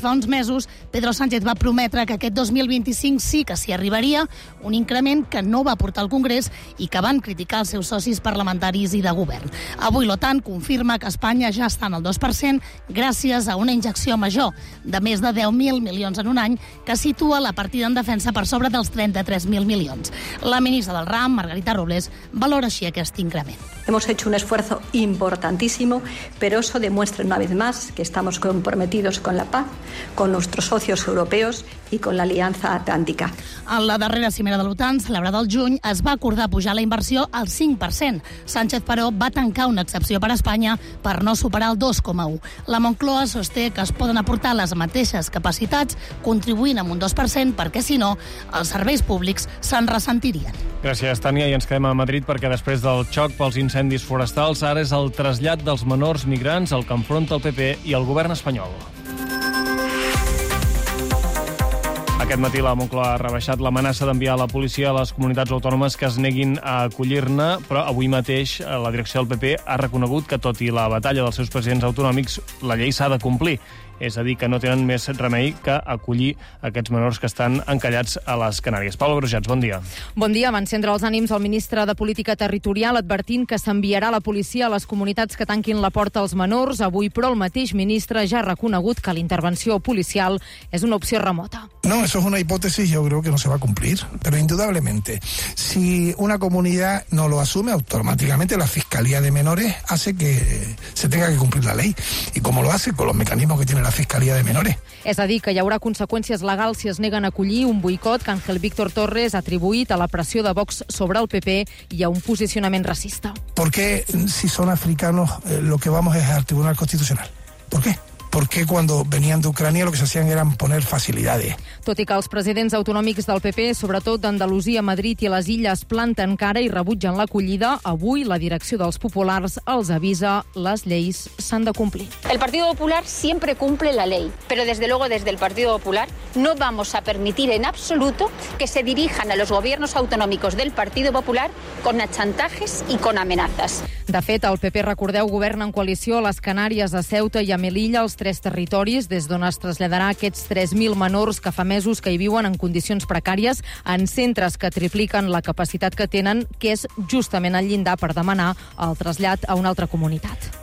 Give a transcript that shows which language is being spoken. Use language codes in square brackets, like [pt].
[ca] Fa uns mesos, Pedro Sánchez va prometre que aquest 2025 sí que s'hi arribaria, un increment que no va portar al Congrés i que van criticar els seus socis parlamentaris i de govern. Avui l'OTAN confirma que Espanya ja està en el 2% gràcies a una injecció major de més de 10.000 milions en un any que situa la partida en defensa per sobre dels 33.000 milions. La ministra del RAM, Margarita Robles, valora així aquest increment. [es] Hemos hecho un esfuerzo importantísimo, pero eso demuestra una vez más que estamos comprometidos con la paz, con nuestros socios europeos y con la Alianza Atlántica. [ca] En la darrera cimera de l'OTAN, celebrada el juny, es va acordar pujar la inversió al 5%. Sánchez, però, va tancar una excepció per a Espanya per no superar el 2,1. La Moncloa sosté que es poden aportar les mateixes capacitats contribuint amb un 2%, perquè, si no, els serveis públics se'n ressentirien. Gràcies, Tània, i ens quedem a Madrid perquè després del xoc pels incendis forestals, ara és el trasllat dels menors migrants al que enfronta el PP i el govern espanyol. Aquest matí la Moncloa ha rebaixat l'amenaça d'enviar la policia a les comunitats autònomes que es neguin a acollir-ne, però avui mateix la direcció del PP ha reconegut que, tot i la batalla dels seus presidents autonòmics, la llei s'ha de complir. És a dir, que no tenen més remei que acollir aquests menors que estan encallats a les Canàries. Pablo Brujats, bon dia. Bon dia. Va encendre els ànims el ministre de Política Territorial advertint que s'enviarà la policia a les comunitats que tanquin la porta als menors avui, però el mateix ministre ja ha reconegut que la intervenció policial és una opció remota. [es] No, eso es una hipótesis, yo creo que no se va a cumplir. Pero indudablemente, si una comunidad no lo asume, automáticamente la Fiscalía de Menores hace que se tenga que cumplir la ley. ¿Y cómo lo hace? Con los mecanismos que tiene la Fiscalía de Menores. [ca] És a dir, que hi haurà conseqüències legals si es neguen a acollir, un boicot que Ángel Víctor Torres ha atribuït a la pressió de Vox sobre el PP i a un posicionament racista. [es] ¿Por qué, si son africanos, lo que vamos es al Tribunal Constitucional? ¿Por qué? Porque cuando venían de Ucrania lo que se hacían era poner facilidades. [ca] Tot i que els presidents autonòmics del PP, sobretot d'Andalusia, Madrid i les Illes, planten cara i rebutgen l'acollida, avui la direcció dels populars els avisa: les lleis s'han de complir. [es] El Partido Popular siempre cumple la ley, pero desde luego desde el Partido Popular no vamos a permitir en absoluto que se dirijan a los gobiernos autonómicos del Partido Popular con chantajes y con amenazas. [ca] De fet, el PP, recordeu, governa en coalició a les Canàries, a Ceuta i a Melilla, els tres territoris des d'on es traslladarà aquests 3.000 menors que fa mesos que hi viuen en condicions precàries, en centres que tripliquen la capacitat que tenen, que és justament el llindar per demanar el trasllat a una altra comunitat.